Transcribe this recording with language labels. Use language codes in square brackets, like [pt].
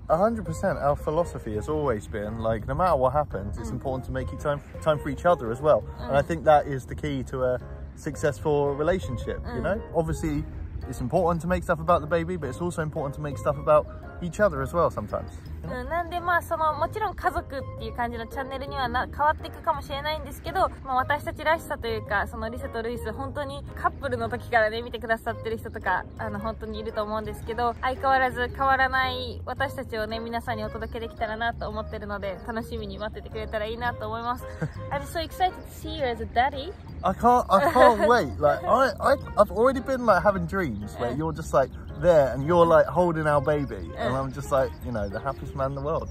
[en] 100%. Our philosophy has always been like, no matter what happens, it's important to make time for each other as well. And I think that is the key to a successful relationship, you know? Obviously,It's important to make stuff about the baby, but it's also important to make stuff about each other as well sometimes. [ja] うん、なんでまあそのもちろん家族っていう感じのチャンネルには変わっていくかもしれないんですけど、まあ、私たちらしさというか、そのリサとルイス本当にカップルの時からね見てくださってる人とか、あの本当にいると思うんですけど、相変わらず変わらない私たちをね皆さんにお届けできたらなと思ってるので、楽しみに待っててくれたらいいなと思います。 [en] I'm so excited to see you as a daddy. I can't wait. Like I've already been like having dreams where you're just likeThere and you're like holding our baby, and I'm just like, you know, the happiest man in the world.